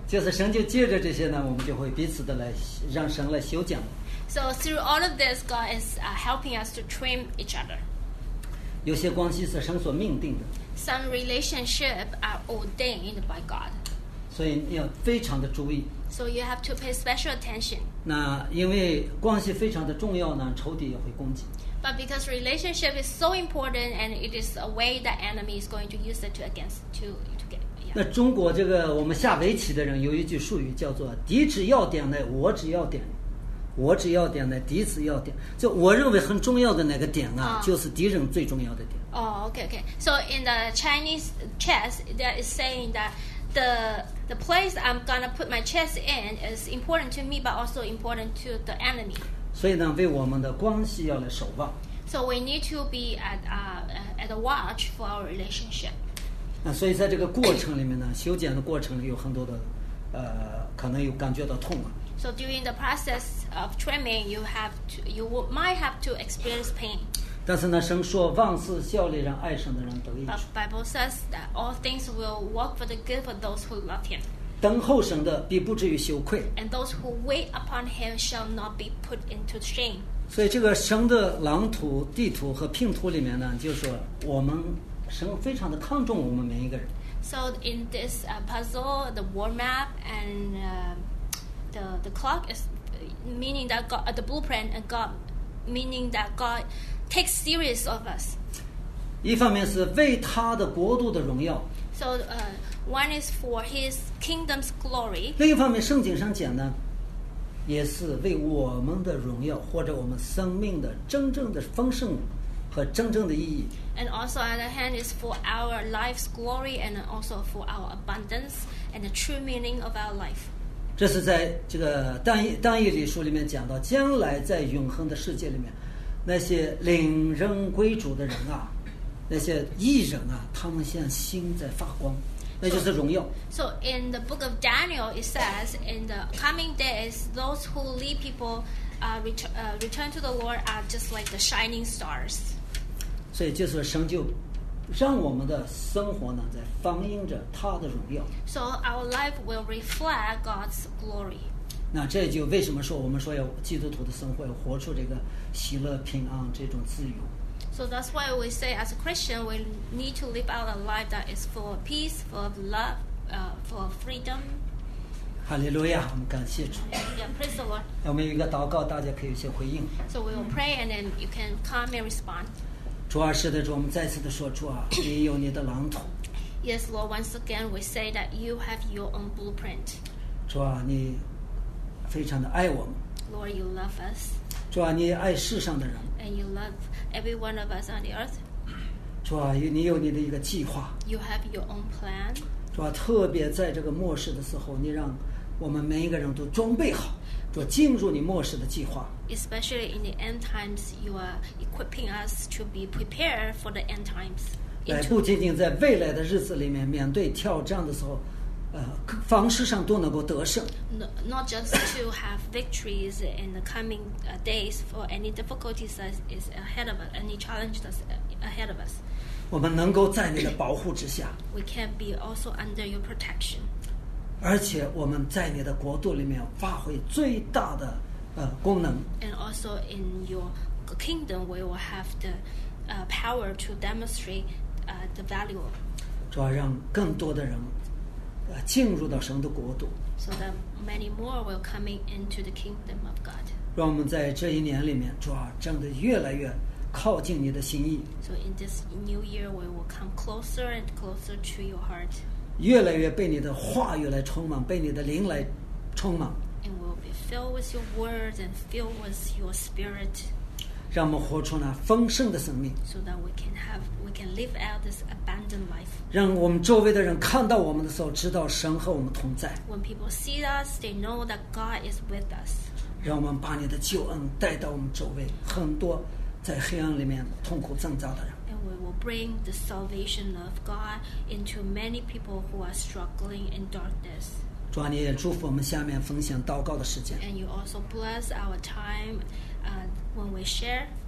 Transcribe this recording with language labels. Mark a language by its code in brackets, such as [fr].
[zh] 就是神就借着这些呢，我们就会彼此的来让神来修剪。 [en] So through all of this, God is helping us to trim each other. [zh] 有些关系是神所命定的。 [en] Some relationships are ordained by God. [zh] 所以你要非常的注意。 [en] So you have to pay special attention. [zh] 那因为关系非常的重要呢，仇敌也会攻击。 [en] But because relationship is so important, and it is a way that enemy is going to use it to against to to get.、Yeah. [zh] 那中国这个我们下围棋的人有一句术语叫做“敌只要点呢，我只要点”。我只要点呢，敌只要点，就我认为很重要的那个点啊、oh. 就是敌人最重要的点。 [en] Oh, okay, okay. So in the Chinese chess, there is saying that the place I'm gonna put my chess in is important to me, but also important to the enemy. [zh] 所以呢，为我们的关系要来守望。 [en] So we need to be at a watch for our relationship. [zh] 那所以在这个过程里面呢，修剪的过程里有很多的，可能有感觉到痛啊。 [en] So during the process of trimming, you might have to experience pain. [zh] 但是呢，神说万事效力人爱神的人得益处。 [en] But Bible says that all things will work for the good for those who love Him. [zh] 等候神的必不至于羞愧。 [en] And those who wait upon Him shall not be put into shame. [zh] 所以这个神的蓝图、地图和拼图里面呢，就是说我们神非常的看重我们每一个人。 [en] So in this puzzle, the war map and the clock is meaning that God, the blueprint and God meaning that God takes serious of us. [zh] 一方面是为他的国度的荣耀。 [en] So one is for His kingdom's glory. [zh] 另一方面，圣经上讲呢，也是为我们的荣耀或者我们生命的真正的丰盛和真正的意义。 [en] And also, on the other hand, is for our life's glory and also for our abundance and the true meaning of our life. [zh] 这是在这个但以理书里面讲到，将来在永恒的世界里面，那些领人归主的人啊，那些义人啊，他们像星在发光，那就是荣耀。 [en] So in the book of Daniel, it says in the coming days, those who lead people return to the Lord are just like the shining stars. [zh] 所以就是神就。让我们的生活呢，在反映着他的荣耀。 [en] So our life will reflect God's glory. [zh] 那这就为什么说我们说要基督徒的生活要活出这个喜乐、平安这种自由。 [en] So that's why we say as a Christian, we need to live out a life that is full of peace, full of love, full of freedom. [zh] 哈利路亚，我们感谢主。 [en] Yeah, praise the Lord. [zh] 我们有一个祷告，大家可以有些回应。 [en] So we will pray, and then you can come and respond. [zh] 主啊，是的，主，我们再次的说，主啊，你有你的蓝图。 [en] Yes, Lord. Once again, we say that you have your own blueprint. [zh] 主啊，你非常的爱我们。 [en] Lord, you love us. [zh] 主啊，你爱世上的人。 [en] And you love every one of us on the earth. [zh] 主啊，你有你的一个计划。 [en] You have your own plan. [zh] 主啊，特别在这个末世的时候，你让我们每一个人都装备好。进入你末世的计划。 [en] Especially in the end times, you are equipping us to be prepared for the end times. [zh] 来，不仅仅在未来的日子里面面对挑战的时候，方式上都能够得胜。 [en] Not just to have victories in the coming days for any difficulties that is ahead of us, any challenge that's ahead of us. [zh] 我们能够在你的保护之下。 [en] We can be also under your protection. [zh] 而且我们在你的国度里面发挥最大的功能。 [en] And also in your kingdom, we will have the power to demonstrate the value. [zh] 主要让更多的人进入到神的国度。 [en] So that many more will come into the kingdom of God. [zh] 让我们在这一年里面，主要真的越来越靠近你的心意。 [en] So in this new year, we will come closer and closer to your heart. [zh] 越来越被你的话语来充满，被你的灵来充满。 [en] And will be filled with your words and filled with your spirit. [zh] 让我们活出那丰盛的生命。 [en] So that we can live out this abundant life. [zh] 让我们周围的人看到我们的时候，知道神和我们同在。 [en] When people see us, they know that God is with us. [zh] 让我们把你的救恩带到我们周围，很多在黑暗里面痛苦挣扎的人。 [en] We will bring the salvation of God into many people who are struggling in darkness. [zh] 主啊，你也祝福我们下面分享祷告的时间。 [en] And you also bless our time, when we share.